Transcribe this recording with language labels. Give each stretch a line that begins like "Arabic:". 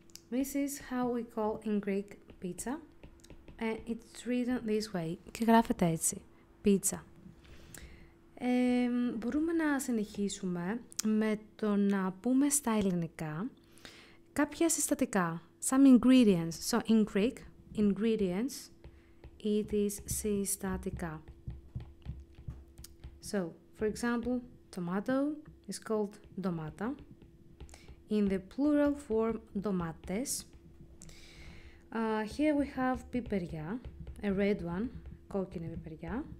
English: This is how we call in Greek pizza. It's written this way.
Greek: Και γράφεται έτσι, pizza. Μπορούμε να συνεχίσουμε με το να πούμε στα ελληνικά κάποια συστατικά,
English: some ingredients. So in Greek, ingredients, it is συστατικά. So, for example, tomato is called ντομάτα. In the plural form, ντομάτες. Here we have πιπεριά, a red one, κόκκινη πιπεριά.